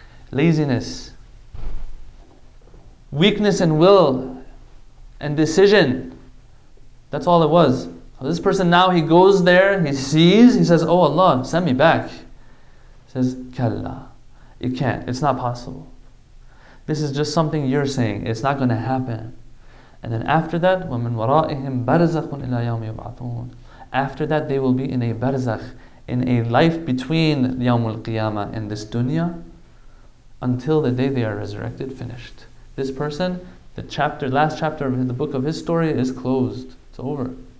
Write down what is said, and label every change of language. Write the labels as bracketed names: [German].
[English] Laziness, weakness in will and decision. That's all it was. This person now, he goes there, he sees, he says, "Oh Allah, send me back." He says, "Kalla, it can't, it's not possible. This is just something you're saying, it's not going to happen." And then after that, [Arabic] وَمِنْ وَرَائِهِمْ بَرْزَخٌ إِلَىٰ يَوْمِ يُبْعَثُونَ. [English] After that, they will be in a barzakh, in a life between [Arabic] يوم القيامة [English] and this dunya, until the day they are resurrected, finished. This person, the chapter, last chapter of the book of his story is closed, it's over.